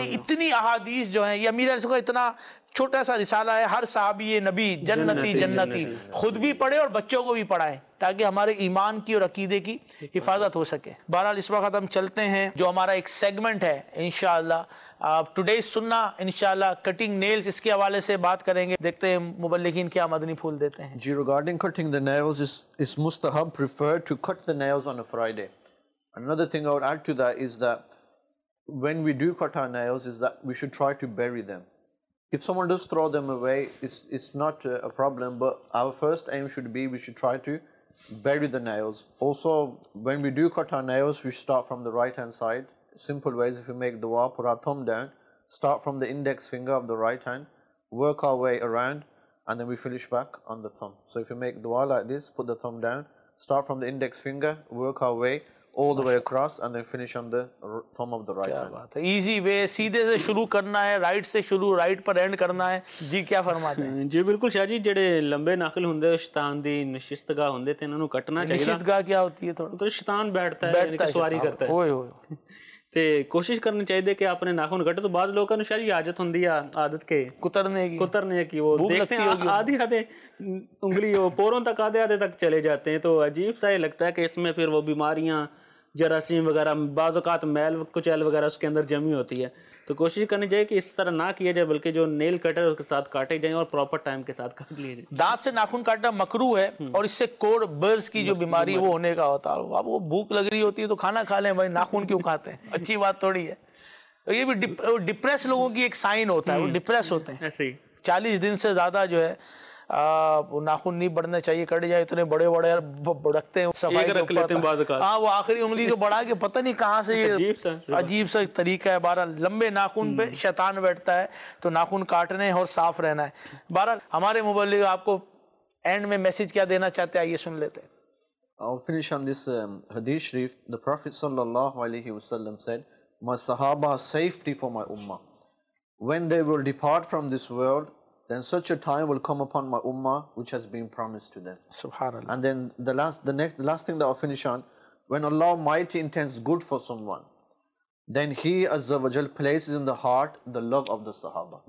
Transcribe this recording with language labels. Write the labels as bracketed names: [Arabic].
[Urdu] یعنی اتنی احادیث جو ہیں, یہ امیر علیہ السلام کا اتنا چھوٹا سا رسالہ ہے, ہر صحابی نبی جنتی جنتی خود بھی پڑھے اور بچوں کو بھی پڑھائے تاکہ ہمارے ایمان کی اور عقیدے کی حفاظت ہو سکے. بہرحال اس وقت ہم چلتے ہیں جو ہمارا ایک سیگمنٹ ہے انشاءاللہ, آپ ٹوڈے سننا انشاءاللہ, [English] cutting nails, [Urdu] اس کے حوالے سے بات کریں گے, دیکھتے ہیں مبلغین کیا مدنی پھول دیتے ہیں. [English] جی, regarding cutting the nails, اس مستحب preferred to cut the nails on a Friday. Another thing I would add to that is that when we do cut our nails is that we should try to bury them. If someone does throw them away, it's not a problem, but our first aim should be we should try to bury the nails. Also, when we do cut our nails, we start from the right hand side. Simple ways, if we make dua, put our thumb down, start from the index finger of the right hand, work our way around, and then we finish back on the thumb. So if you make dua like this, put the thumb down, start from the index finger, work our way all the way across, and then finish on the thumb of the right hand. [Urdu] کیا بات ہے, [English] easy way, [Urdu] سیدھے سے شروع کرنا ہے, right سے شروع, رائٹ پر اینڈ کرنا ہے. جی, کیا فرماتے ہیں؟ [Punjabi] جی بالکل شاہ جی, جڑے لمبے ناخل ہوندے شیطان دی نشستگاہ ہوندے تے انہاں نو کٹنا چاہیے. [Urdu] نشستگاہ کیا ہوتی ہے؟ تو شیطان بیٹھتا ہے, یعنی کہ سواری کرتا ہے. اوئے اوئے, تے کوشش کرنی چاہیے کہ اپنے ناخن کٹے. تو بعض لوگوں کو شاید عادت ہوندی ہے, عادت کے کترنے کی وہ دیکھتے ہیں آدھی آدھے انگلی وہ پوروں تک آدھے آدھے تک چلے جاتے ہیں, تو عجیب سا یہ لگتا ہے کہ اس میں پھر وہ بیماریاں, جراثیم وغیرہ, بعض اوقات میل کچیل وغیرہ اس کے اندر جمی ہوتی ہے. تو کوشش کرنی چاہیے کہ اس طرح نہ کیا جائے, بلکہ جو نیل کٹر کے ساتھ کاٹے جائیں اور پراپر ٹائم کے ساتھ کاٹ لیے جائیں. دانت سے ناخن کاٹنا مکروہ ہے, اور اس سے کوڑ برز کی جو بیماری ہے وہ ہونے کا ہوتا ہے. اب وہ بھوک لگ رہی ہوتی ہے تو کھانا کھا لیں بھائی, ناخن کیوں کھاتے ہیں؟ اچھی بات تھوڑی ہے. یہ بھی ڈپریس لوگوں کی ایک سائن ہوتا ہے, وہ ڈپریس ہوتے ہیں. 40 دن سے زیادہ جو ہے ناخن نہیں بڑھنا چاہیے, کٹ جائے, اتنے بڑے بڑے بڑکتے ہیں, صفائی رکھ لیتے ہیں بعض اوقات. ہاں, وہ آخری انگلی کو بڑھا کے پتہ نہیں کہاں سے, عجیب سا طریقہ ہے. بہرحال لمبے ناخن پہ شیطان بیٹھتا ہے, تو ناخن کاٹنے اور صاف رہنا ہے. بہرحال ہمارے مبلغ آپ کو اینڈ میں میسج کیا دینا چاہتے ہیں, آئیے سن لیتے ہیں. [English] I'll finish on this حدیث شریف. The Prophet [Arabic] صلی اللہ علیہ وسلم [English] said, my sahaba safety for my ummah, when they will depart from this world, then such a time will come upon my ummah which has been promised to them. Subhanallah. And then the last thing that I'll finish on, when Allah Almighty intends good for someone, then He Azza wa Jal places in the heart the love of the Sahaba.